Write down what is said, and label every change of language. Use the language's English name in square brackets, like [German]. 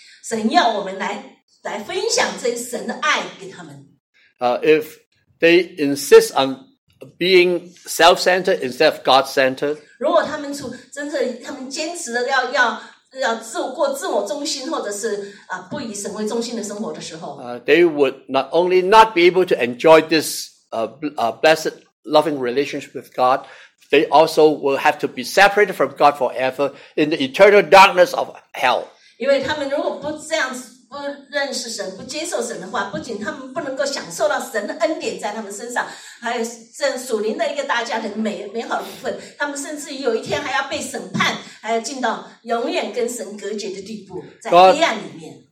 [Chinese] 神要我们来分享这神的爱给他们。 [English] If they insist on being self-centered instead of God-centered, [Chinese] 如果他们坚持的要过自我中心，或者是不以神为中心的生活的时候， [English] they would not only not be able to enjoy this blessed loving relationship with God, they also will have to be separated from God forever in the eternal darkness of hell. [Chinese] 因为他们如果不这样子。不认识神，不接受神的话，不仅他们不能够享受到神的恩典在他们身上，还有这属灵的一个大家庭的美好的部分，他们甚至有一天还要被审判，还要进到永远跟神隔绝的地步，在黑暗里面。